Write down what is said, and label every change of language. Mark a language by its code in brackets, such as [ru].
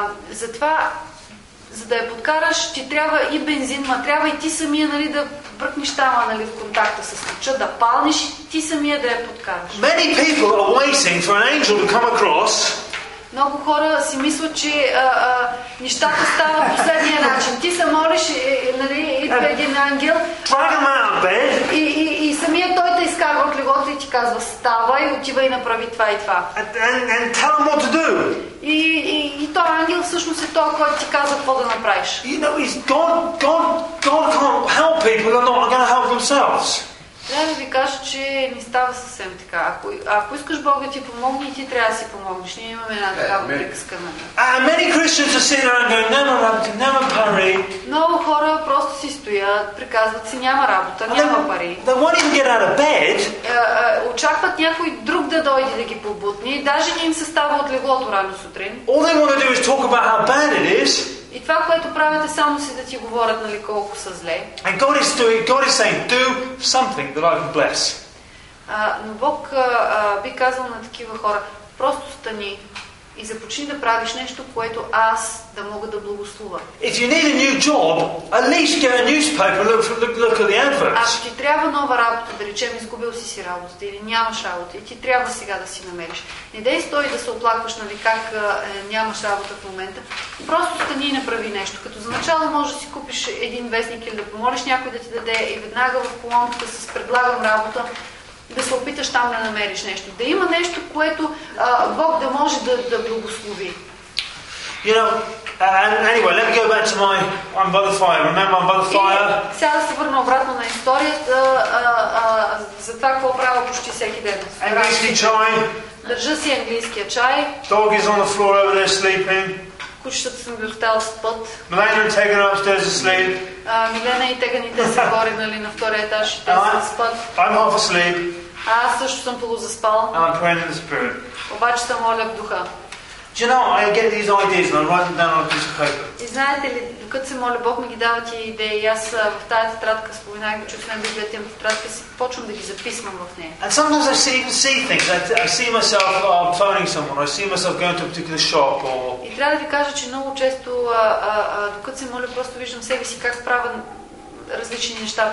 [bg] Затова, за да я подкараш, ти трябва и бензин, ма трябва и ти самия, нали, да бръкнеш там, нали, в контакта с ключа, да палниш, ти самия да я подкараш. [en] Many people are waiting for an angel to come across. [bg] Много хора си мислят, че нещата стават последния начин. Ти се молиш, нали, идва един ангел. [en] Drag him out of bed. [bg] И самия той те изкарва от легото и ти казва, ставай, отивай и направи това и това. [en] And tell him what to do. [bg] И той ангел всъщност е той, който ти казва какво да направиш. [en] You know, God can't help people who are not going to help themselves. [bg] Трябва да ви кажа, че не става съвсем така. Ако искаш Бог да ти помогне, ти трябва да си помогнеш. Ние имаме една такава приказка на нас. [en] Many Christians are sitting around going, "Never [bg] работа, няма пари." Много хора просто си стоят, приказват си, няма работа, няма пари. [en] They won't even get out of bed. [bg] Очакват някой друг да дойде да ги побутне. Даже не им се става от леглото рано сутрин. [en] All they want to do is talk about how bad it is. [bg] И това, което правят, е само си да ти говорят, нали, колко са зле. [en] And God is doing, God is saying, do something that I can bless. [bg] Но Бог би казал на такива хора, просто стани и започни да правиш нещо, което аз да мога да благослува. [en] If you need a new job, at least get a newspaper, look at the adverts. [bg] Ако ти трябва нова работа, да речем, изгубил си работата или нямаш работа, и ти трябва сега да си намериш. Не дей стой да се оплакваш, нали, как нямаш работа в момента. Просто стани и направи нещо. Като за начало можеш да си купиш един вестник или да помолиш някой да ти даде и веднага в колонката с предлагам работа, да се опиташ там да намериш нещо. Да има нещо, което Бог да може да благослови. [en] You know, anyway, let me go back to my brother fire. Remember my brother fire? [bg] Сега да се върна обратно на историята за това, какво правя почти всеки ден. Английски чай. Държа си английския чай. [en] Dog is on the floor over there sleeping. [bg] Кучетата съм ги оставила спът. [en] Милена и Теган upstairs asleep. [bg] Милена и Теганите са горе, нали, на втория етаж и те са спът. [en] I'm half asleep. [bg] Аз също съм полузаспал. [en] And I'm praying in the spirit. [bg] Обаче съм моля в духа. [en] Do you know, I get these ideas and I write them down on a piece of paper. [bg] И знаете ли, докато се моля, Бог ми ги дава тия идеи, и аз в тази тетрадка споменах, че чух на Библията, имам тетрадка, си почвам да ги записвам в нея. [en] And sometimes I see, things. I see myself phoning someone, I see myself going to a particular shop or... [bg] И трябва да ви кажа, че много често, докато се моля, просто виждам себе си как правя различни неща.